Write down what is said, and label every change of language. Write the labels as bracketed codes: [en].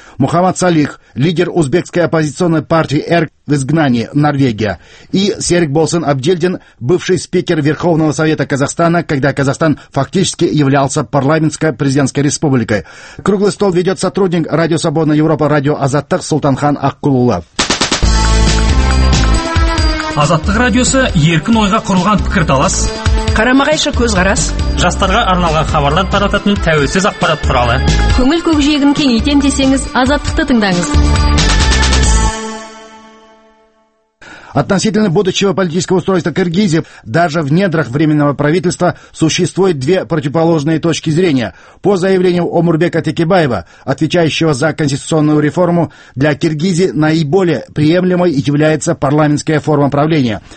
[ru] Мухаммад Салих, лидер узбекской оппозиционной партии ЭРК в изгнании, Норвегия. И Серик Болсын Абдельдин, бывший спикер Верховного Совета Казахстана, когда Казахстан фактически являлся парламентской президентской республикой. Круглый стол ведет сотрудник Радио Свободная Европа, Радио Азаттык, Султанхан Аққұлұлы. [kk] Азаттық радиосы еркін ойға құрылған пікірталас. Қарама-қайшы көзқарас. Жастарға арналған хабарлар тарататын тәуелсіз ақпарат құралы. Көңіл көкжиегін кеңейтем десеңіз, Азаттықты тыңдаңыз. [ru] Относительно будущего политического устройства Кыргызии, даже в недрах временного правительства существует две противоположные точки зрения. По заявлению Омурбека Текебаева, отвечающего за конституционную реформу, для Кыргызии наиболее приемлемой является парламентская форма правления.